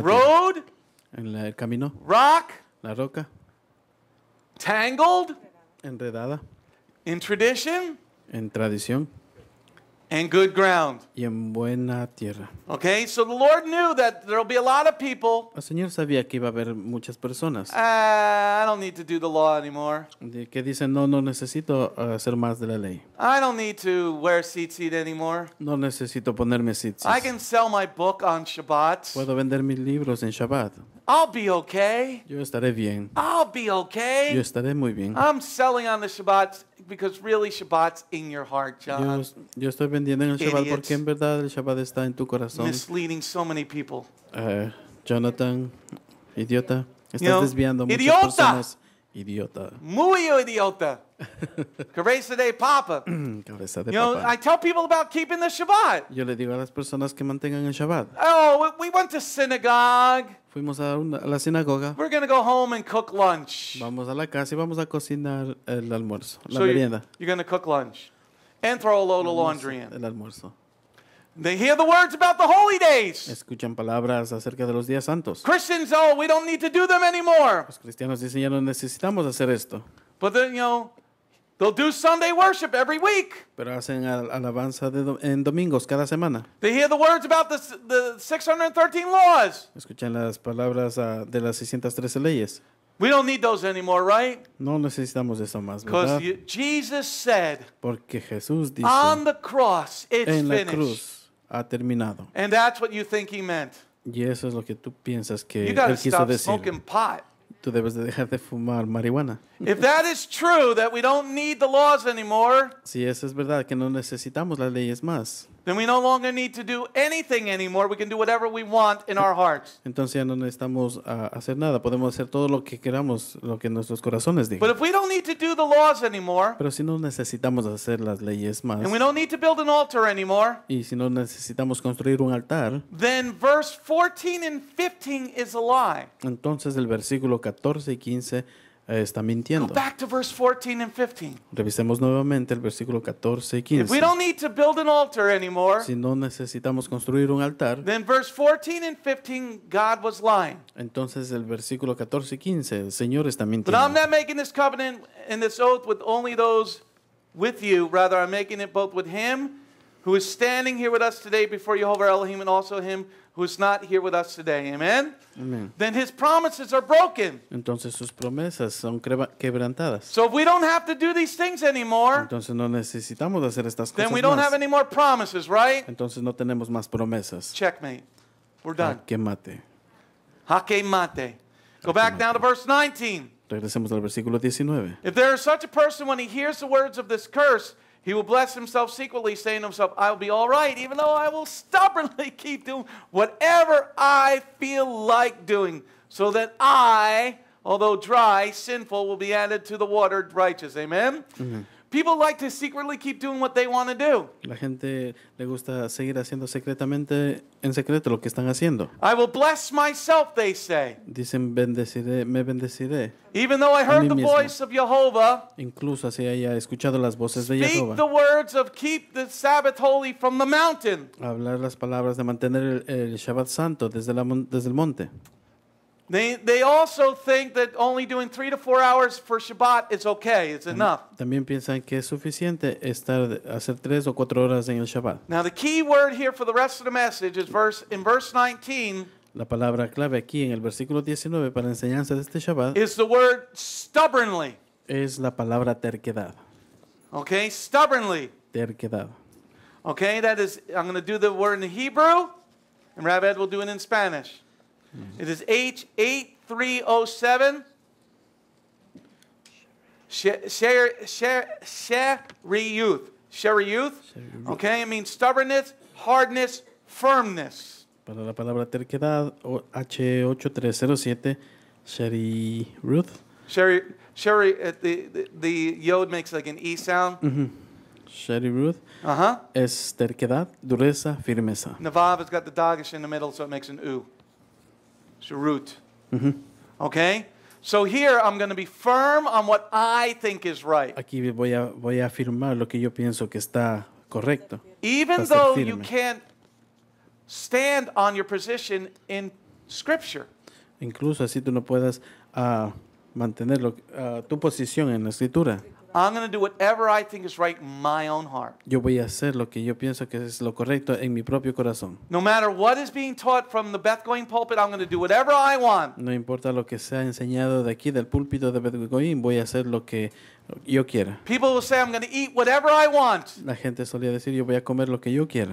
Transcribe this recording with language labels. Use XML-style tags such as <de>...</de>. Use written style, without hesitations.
<en>road,</en> <es>tierra. En el camino.</es> <en>Rock.</en> <es>La roca.</es> <en>Tangled.</en> <es>Enredada.</es> <en>In tradition.</en> <es>En tradición.</es> <en>And good ground.</en> <es>Y en buena tierra.</es> <en>Okay, so the Lord knew that there will be a lot of people.</en> <es>El Señor sabía que iba a haber muchas personas.</es> <en>I don't need to do the law anymore.</en> <es>Que dicen, no, no necesito hacer más de la ley.</es> <en>I don't need to wear tzitzit anymore.</en> <es>No necesito ponerme tzitzit.</es> <en>I can sell my book on Shabbat.</en> <es>Puedo vender mis libros en Shabbat.</es> <en>I'll be okay.</en> <es>Yo estaré bien.</es> <en>I'll be okay.</en> <es>Yo estaré muy bien.</es> <en>I'm selling on the Shabbat because really Shabbat's in your heart, John.</en> <es>Yo estoy vendiendo en el Shabbat porque en verdad el Shabbat está en tu corazón.</es> <en>Misleading so many people.</en> <es>Jonathan, idiota. Estás desviando muchas personas. Idiota. Muy idiota. Cabeza de papa. Cabeza de</es> <en>papa. I tell people about keeping the Shabbat.</en> <es>Yo le digo a las personas que mantengan el Shabbat.</es> <en>Oh, we went to synagogue.</en> <es>Fuimos a la sinagoga.</es> <en>We're going to go home and cook lunch.</en> <es>Vamos a la casa y vamos a cocinar el almuerzo, la merienda.</es> <en>You're going to cook lunch and throw a load of laundry in.</en> <es>El almuerzo.</es> <en>They hear the words about the holy days.</en> <es>Escuchan palabras acerca de los días santos.</es> <en>Christians, oh, we don't need to do them anymore.</en> <es>Los cristianos dicen ya no necesitamos hacer esto.</es> <en>But then, they'll do Sunday worship every week.</en> <es>Pero hacen alabanza en domingos cada semana.</es> <en>They hear the words about the 613 laws.</en> <es>Escuchan las palabras de las 613 leyes.</es> <en>We don't need those anymore, right?</en> <es>No necesitamos eso más, ¿verdad?</es> <en>Because Jesus said,</en> <es>porque Jesús dice,</es> <en>on the cross, it's</en> <es>en la</es> <en>finished.</en> <es>Cruz ha terminado.</es> <en>And that's what you think he meant.</en> <es>Y eso es lo que tú piensas que</es> <en>you gotta</en> <es>él quiso</es> <en>stop</en> <es>decir.</es> <en>Smoking pot.</en> <es>Tú debes de dejar de fumar marihuana.</es> <en>If that is true, that we don't need the laws anymore,</en> <es>si eso es verdad, que no necesitamos las leyes más,</es> <en>then we no longer need to do anything anymore. We can do whatever we want in our hearts.</en> <es>Entonces ya no necesitamos hacer nada. Podemos hacer todo lo que queramos, lo que nuestros corazones digan.</es> <en>But if we don't need to do the laws anymore,</en> <es>pero si no necesitamos hacer las leyes más,</es> <en>and we don't need to build an altar anymore,</en> <es>y si no necesitamos construir un altar,</es> <en>then verse 14 and 15 is a lie.</en> <es>Entonces el versículo 14 y 15 está mintiendo.</es> <en>Go back to verse 14 and 15.</en> <es>Revisemos nuevamente el versículo 14 y 15.</es> <en>If we don't need to build an altar anymore,</en> <es>si no necesitamos construir un altar,</es> <en>then verse 14 and 15, God was lying.</en> <es>Entonces el versículo 14 y 15, el Señor está mintiendo.</es> <en>But I'm not making this covenant and this oath with only those with you. Rather, I'm making it both with him who is standing here with us today before Yehovah Elohim and also him who is not here with us today. Amen? Amen. Then his promises are broken.</en> <es>Entonces sus promesas son quebrantadas.</es> <en>So if we don't have to do these things anymore,</en> <es>entonces no necesitamos hacer estas cosas,</es> <en>then we don't</en> <es>más</es> <en>have any more promises, right?</en> <es>Entonces no tenemos más promesas.</es> <en>Checkmate. We're done.</en> <es>Jaque mate.</es> <en>Go back now to verse 19.</en> <es>Regresemos al versículo 19.</es> <en>If there is such a person when he hears the words of this curse, he will bless himself secretly, saying to himself, I will be all right, even though I will stubbornly keep doing whatever I feel like doing, so that I, although dry, sinful, will be added to the watered righteous. Amen? Mm-hmm. People like to secretly keep doing what they want to do.</en> <es>La gente le gusta seguir haciendo secretamente, en secreto, lo que están haciendo.</es> <en>I will bless myself, they say.</en> <es>Dicen, bendeciré, me bendeciré.</es> <en>Even though I heard the</en> <es>mismo</es> <en>voice of Jehovah,</en> <es>incluso si haya escuchado las voces</es> <en>speak</en> <es>de Jehovah,</es> <en>the words of keep the Sabbath holy from the mountain.</en> <es>Hablar las palabras de mantener el Shabbat santo desde, la, desde el monte.</es> <en>They also think that only doing 3 to 4 hours for Shabbat is okay, it's enough.</en> <es>También piensan que es suficiente estar hacer 3 o 4 horas en el Shabbat.</es> <en>Now the key word here for the rest of the message is verse 19.</en> <es>La palabra clave aquí en el versículo 19 para la enseñanza de este Shabbat</es> <en>is the word stubbornly.</en> <es>Es la palabra terquedad.</es> <en>Okay, stubbornly.</en> <es>Terquedad.</es> <en>Okay, that is, I'm going to do the word in Hebrew and Rabbi Ed will do it in Spanish. It is H8307. Sheriyuth. Sheriyuth. Okay, it means stubbornness, hardness, firmness.</en> <es>Para la palabra terquedad, H8307, Sheriyuth.</es> <en>Sheri, the yod makes like an E sound. Mm-hmm. Sheriyuth. Uh-huh.</en> <es>Es terquedad, dureza, firmeza.</es> <en>Navav has got the dagish in the middle, so it makes an U. Root. Mm-hmm. Okay? So here I'm going to be firm on what I think is right.</en> <es>Aquí voy a afirmar lo que yo pienso que está correcto.</es> <en>Even though you can't stand on your position in Scripture.</en> <es>Incluso así tú no puedas mantener tu posición en la Escritura.</es> <en>I'm going to do whatever I think is right in my own heart.</en> <es>Yo voy a hacer lo que yo pienso que es lo correcto en mi propio corazón.</es> <en>No matter what is being taught from the Beth-Goyim pulpit, I'm going to do whatever I want.</en> <es>No importa lo que sea enseñado de aquí del púlpito de Beth-Goyim, voy a hacer lo que yo quiera.</es> <en>People will say I'm going to eat whatever I want.</en> <es>La gente solía decir yo voy a comer lo que yo quiera.</es>